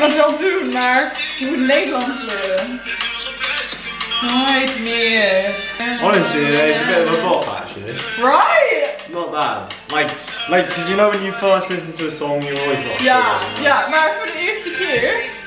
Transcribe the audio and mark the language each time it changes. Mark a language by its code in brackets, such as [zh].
[nl] Wat wil je doen, maar je moet Nederlands leren. Nooit meer. [en] Honestly, it's a bit of a bop actually. Right? not bad. Like, because you know when you first listen to a song, you're always like, [nl] yeah, maar voor de eerste keer.